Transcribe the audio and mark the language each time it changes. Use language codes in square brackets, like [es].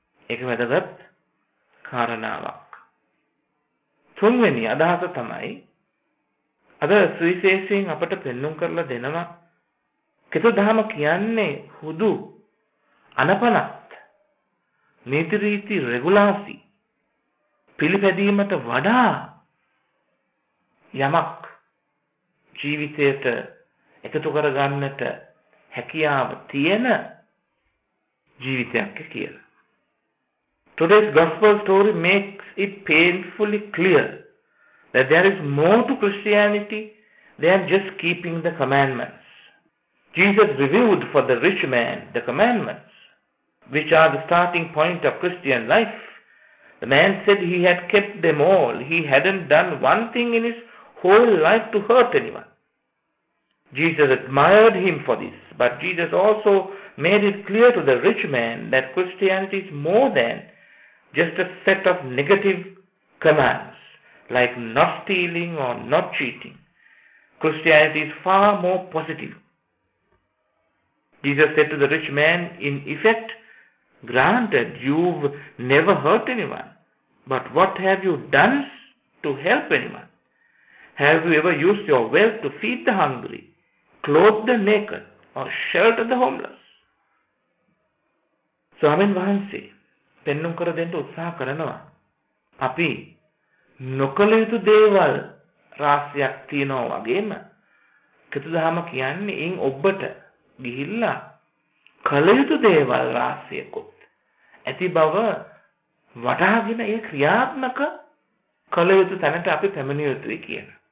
[si] ඒක වැදගත් කාරණාවක්. තුන්වෙනි අදහස තමයි අද සුවිශේෂයෙන් අපට පෙන්නුම් කරලා දෙනවා, කෙත දහම කියන්නේ හුදු අනපනත් නීති රීති රෙගුලාසි පිළිපැදීමට වඩා යමක් ජීවිතයට එකතු කරගන්නට හැකියාව තියෙන ජීවිතයක් කියලා. [en] Today's gospel story makes it painfully clear that there is more to Christianity than just keeping the commandments. Jesus reviewed for the rich man the commandments, which are the starting point of Christian life. The man said he had kept them all. He hadn't done one thing in his whole life to hurt anyone. Jesus admired him for this, but Jesus also made it clear to the rich man that Christianity is more than just a set of negative commands, like not stealing or not cheating. Christianity is far more positive. Jesus said to the rich man, in effect, granted, you've never hurt anyone, but what have you done to help anyone? Have you ever used your wealth to feed the hungry, clothe the naked, or shelter the homeless? [si] Swamin Vahansi, pennum karadenta utsaha karanawa, api නොකළ යුතු දේවල් රාශියක් තියෙනවා වගේම කිතුදහම කියන්නේ එින් ඔබට ගිහිල්ලා කළ යුතු දේවල් රාශියකුත් ඇති බව වටහාගෙන ඒ ක්‍රියාත්මක කළ යුතු තැනට අපි පැමිණිය යුතුයි කියන.